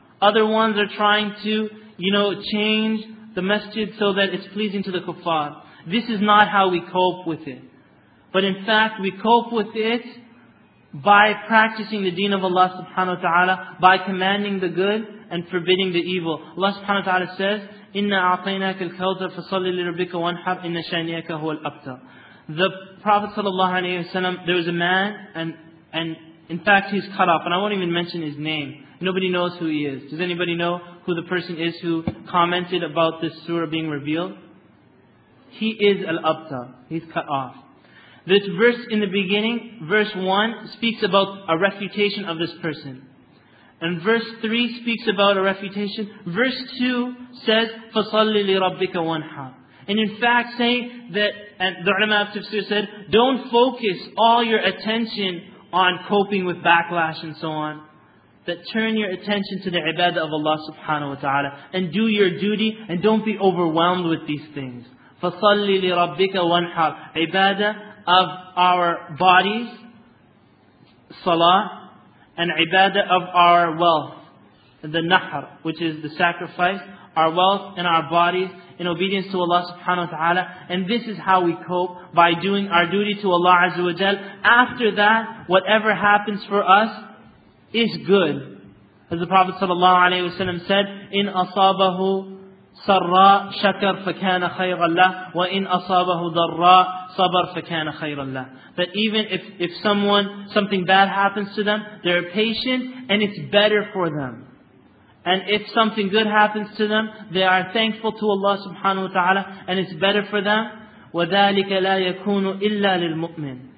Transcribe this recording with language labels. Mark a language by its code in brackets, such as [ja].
[en] Other ones are trying to, you know, change the masjid so that it's pleasing to the kuffar. This is not how we cope with it. But in fact, we cope with it by practicing the deen of Allah subhanahu wa ta'ala, by commanding the good and forbidding the evil. Allah subhanahu wa ta'ala says, [ar] إِنَّا أَعْطَيْنَاكَ الْكَوْثَرَ فَصَلِّ لِرَبِّكَ وَانْحَرْ إِنَّ شَانِيَكَ هُوَ الْأَبْتَرُ. [en] The Prophet sallallahu alayhi wa sallam, there was a man, and in fact he's cut off, and I won't even mention his name. Nobody knows who he is. Does anybody know who the person is who commented about this surah being revealed? He is al-abta. He's cut off. This verse in the beginning, verse 1, speaks about a refutation of this person. And verse 3 speaks about a refutation. Verse 2 says, [ar] فَصَلِّ لِرَبِّكَ وَانْحَرْ. [en] And in fact, saying that, and the ulama of tafsir said, don't focus all your attention on coping with backlash and so on. That turn your attention to the ibadah of Allah subhanahu wa ta'ala. And do your duty and don't be overwhelmed with these things. [ar] فَصَلِّ لِرَبِّكَ وَانْحَرْ. [en] Ibadah of our bodies, salah, and ibadah of our wealth, the nahr, which is the sacrifice, our wealth and our bodies in obedience to Allah subhanahu wa ta'ala. And this is how we cope, by doing our duty to Allah azza wa jal. After that, whatever happens for us is good. As the Prophet sallallahu alayhi wa sallam said, [ar] إِنْ أَصَابَهُ سَرَّا شَكَرْ فَكَانَ خَيْرًا لَهُ وَإِنْ أَصَابَهُ ضَرَّا صَبَرْ فَكَانَ خَيْرًا لَهُ. [en] That even if someone, something bad happens to them, they're patient and it's better for them. And if something good happens to them, they are thankful to Allah subhanahu wa ta'ala and it's better for them. [ar] وَذَلِكَ لَا يَكُونُ إِلَّا لِلْمُؤْمِنِ.